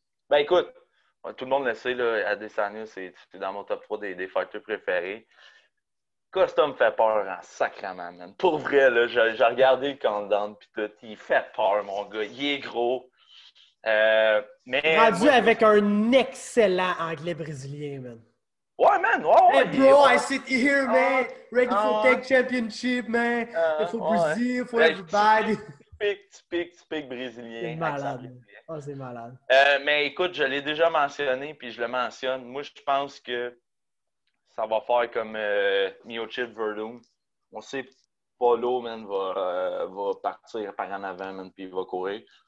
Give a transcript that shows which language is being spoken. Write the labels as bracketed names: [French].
[French] Ben, écoute, tout le monde le sait, là, Adesanya, c'est dans mon top 3 des fighters préférés. Costume fait peur en sacrament, man. Pour vrai, là, j'ai regardé le countdown pis tout. Il fait peur, mon gars. Il est gros. Mais rendu moi, avec un excellent anglais brésilien, man. Ouais, man. Ouais, [English] hey, bro, I sit here, man. Ready for tech championship, man. [French] Il faut Brésil, il faut everybody. Typique brésilien. C'est malade. Oh, c'est malade. Mais écoute, je l'ai déjà mentionné puis je le mentionne. Moi, je pense que ça va faire comme Miocic Verdum. On sait que Paulo va partir par en avant, man, puis il va courir.